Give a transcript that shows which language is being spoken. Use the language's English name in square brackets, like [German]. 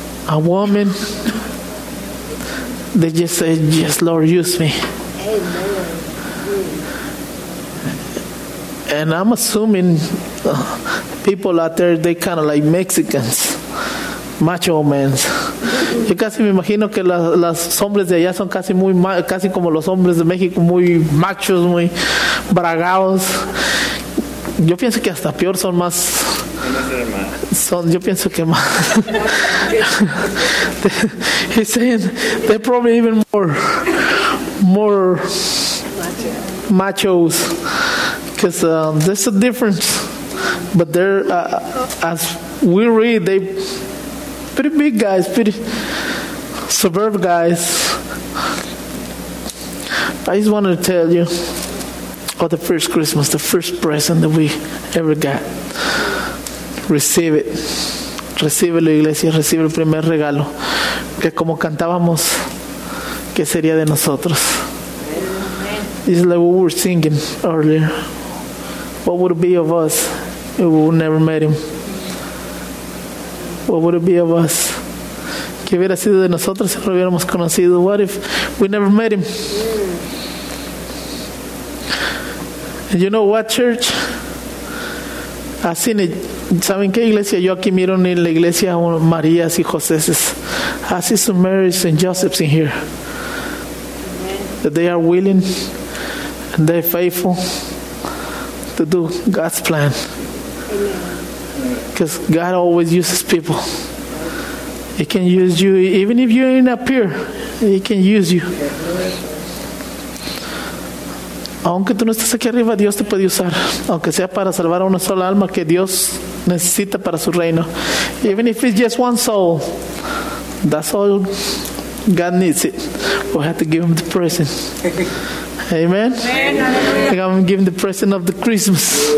[English] Amen. A woman, they just say, "Yes, Lord, use me." Amen. And I'm assuming people out there, they kind of like Mexicans, macho men. [Spanish] Yo casi me imagino que las hombres de allá son casi muy casi como los hombres de México, muy machos, muy bragados. Yo pienso que hasta peor son más. Son, yo pienso que más. [English] He's saying they're probably even more machos, because there's a difference. But they're as we read, they pretty big guys, pretty suburb guys. I just wanted to tell you about the first Christmas, the first present that we ever got. Receive it. [Spanish] Recibe la iglesia, recibe el primer regalo. Que como cantábamos, que sería de nosotros. [English] It's like what we were singing earlier. What would it be of us if we never met him? What would it be of us? [Spanish] ¿Qué hubiera sido de nosotros si no lo hubiéramos conocido? [English] What if we never met him? And you know what, church? I've seen it. [Spanish] ¿Saben qué iglesia? Yo aquí miro en la iglesia a Marías y Joses. [English] I see some Marys and Josephs in here. That they are willing and they're faithful to do God's plan. Because God always uses people. He can use you. Even if you ain't up here, he can use you. [Spanish] Aunque tú no estés aquí arriba, Dios te puede usar. Aunque sea para salvar a una sola alma que Dios necesita para su reino. [English] Even if it's just one soul, that's all God needs it. We have to give him the present. Amen. Amen. I'm giving him the present of the Christmas.